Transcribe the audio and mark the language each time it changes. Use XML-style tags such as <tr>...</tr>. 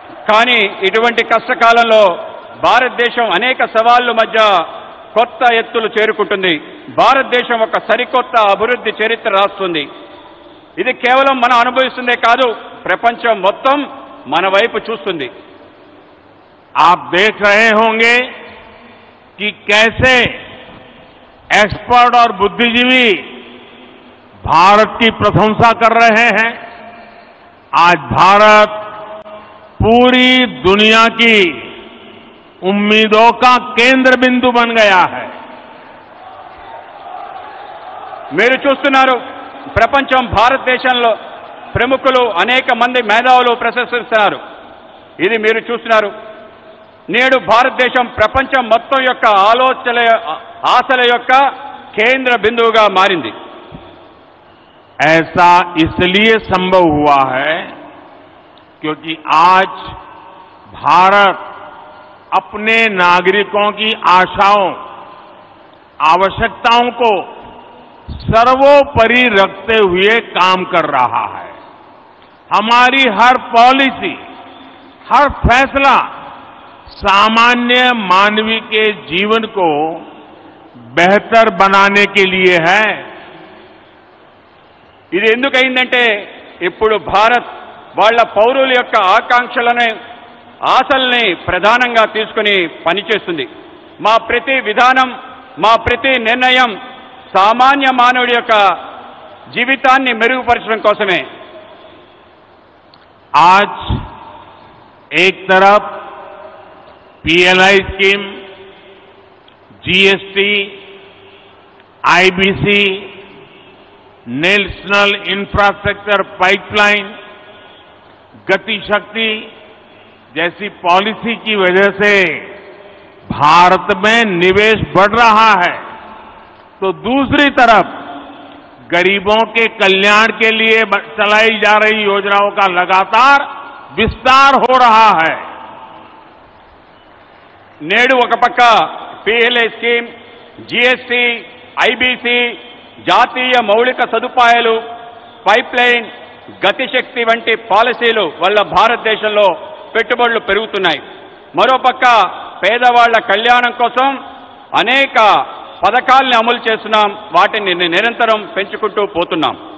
<te>కానీ ఇటువంటి కష్టకాలంలో భారతదేశం అనేక సవాళ్ళ మధ్య కొత్త ఎత్తులు చేరుకుంటుంది భారతదేశం ఒక సరికొత్త అభివృద్ధి చరిత్ర రాస్తుంది ఇది కేవలం మన అనుభవిస్తుందే కాదు ప్రపంచం మొత్తం మన వైపు చూస్తుంది</te> <hi>आप देख रहे होंगे कि कैसे एक्सपर्ट और बुद्धिजीवी भारत की प्रशंसा कर रहे हैं आज भारत पूरी दुनिया की उम्मीदों का केंद्र बिंदु बन गया है मेरे</hi> <te>చూస్తున్నారు ప్రపంచం భారత దేశంలో ప్రముఖులు అనేక మంది మేధావులు ప్రశంసిస్తున్నారు ఇది మీరు చూస్తున్నారు నేడు భారతదేశం ప్రపంచం మొత్తం యొక్క ఆలోచనల ఆశల యొక్క కేంద్ర బిందువుగా మారింది</te> <hi>ऐसा इसलिए संभव हुआ है क्योंकि आज भारत अपने नागरिकों की आशाओं आवश्यकताओं को सर्वोपरि रखते हुए काम कर रहा है हमारी हर पॉलिसी हर फैसला सामान्य मानवी के जीवन को बेहतर बनाने के लिए है</hi> <te>ఇది ఎందుకు అయిందంటే ఇప్పుడు భారత్ వాళ్ళ పౌరుల యొక్క ఆకాంక్షలను ఆశల్ని ప్రధానంగా తీసుకుని పనిచేస్తుంది మా ప్రతి విధానం మా ప్రతి నిర్ణయం సాధారణ మానవుడి యొక్క జీవితాన్ని మెరుగుపరచడం కోసమే</te> <hi>आज एक तरफ PLI scheme GST IBC national infrastructure pipeline Gatishakti जैसी पॉलिसी की वजह से भारत में निवेश बढ़ रहा है तो दूसरी तरफ गरीबों के कल्याण के लिए चलाई जा रही योजनाओं का लगातार विस्तार हो रहा है</hi> <te>నేడు ఒక పక్క పీఎల్ఐ స్కీమ్ జీఎస్టీ ఐబీసీ జాతీయ మౌలిక సదుపాయాలు పైప్లైన్ గతిశక్తి వంటి పాలసీలు వల్ల భారతదేశంలో పెట్టుబడులు పెరుగుతున్నాయి మరోపక్క పేదవాళ్ల కళ్యాణం కోసం అనేక పథకాలను అమలు చేస్తున్నాం వాటిని నిరంతరం పెంచుకుంటూ పోతున్నాం</te>